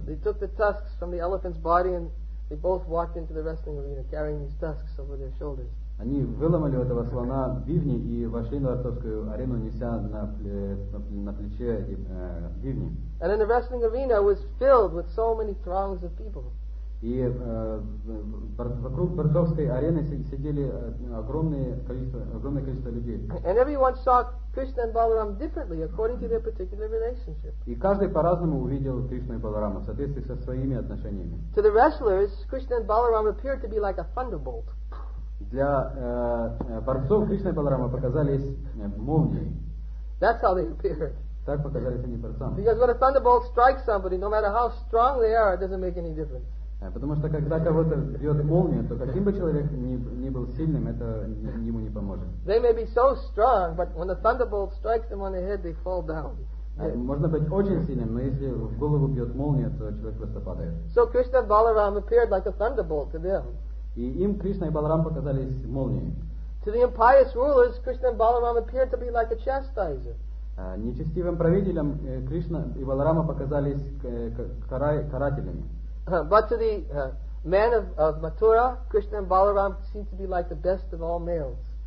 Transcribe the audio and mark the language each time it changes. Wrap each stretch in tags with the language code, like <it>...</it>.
<en>they took the tusks from the elephant's body and they both walked into the wrestling arena carrying these tusks over their shoulders.</en> <ru>Они выломали у этого слона бивни и вошли на борцовскую арену, неся на плече эти бивни.</ru> <en>And in the wrestling arena was filled with so many throngs of people.</en> <ru>И вокруг борцовской арены сидели огромное количество людей.</ru> <en>And everyone saw Krishna and Balaram differently according to their particular relationship.</en> <ru>И каждый по-разному увидел Кришну и Баларама в соответствии со своими отношениями.</ru> <en>To the wrestlers, Krishna and Balaram appeared to be like a thunderbolt.</en> <ru>Для борцов Кришна и Баларама показались молнией.</ru> <en>That's how they appeared.</en> <ru>Так показались они борцам.</ru> <en>Because when a thunderbolt strikes somebody, no matter how strong they are, it doesn't make any difference.</en> <ru>Потому что когда кого-то бьет молния, то каким бы человек ни был сильным, это ему не поможет.</ru> <en>They may be so strong, but when the thunderbolt strikes them on the head, they fall down.</en> <ru>Можно быть очень сильным, но если в голову бьет молния, то человек просто падает.</ru> <en>So Krishna and Balaram appeared like a thunderbolt to them.</en> <ru>И им Кришна и Баларам показались молнией.</ru> <en>To the impious rulers, Krishna and Balaram appeared to be like a chastiser.</en> <ru>Нечестивым правителям Кришна и Баларама показались карателями.</ru> <en>But to the men of Mathura, Krishna and Balaram seem to be like the best of all males.</en>